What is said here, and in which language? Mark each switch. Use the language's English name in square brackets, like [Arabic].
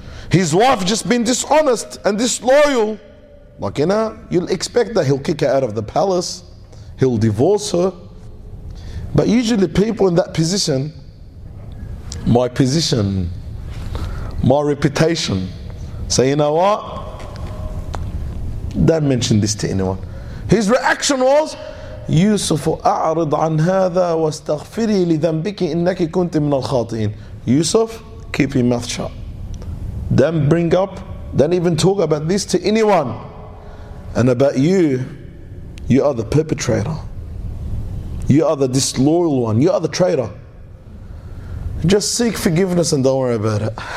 [English] His wife just been dishonest and disloyal. Like, you know, you'll expect that he'll kick her out of the palace, he'll divorce her. But usually people in that position, my position, my reputation, say, you know what? Don't mention this to anyone. [Arabic] His reaction was, [English] Yusuf, [Arabic] أعرض عن هذا واستغفري لذنبك إنك كنت من الخاطئين. [English] Yusuf, keep your mouth shut. Don't bring up, don't even talk about this to anyone. And about you, you are the perpetrator. You are the disloyal one. You are the traitor. Just seek forgiveness and don't worry about it.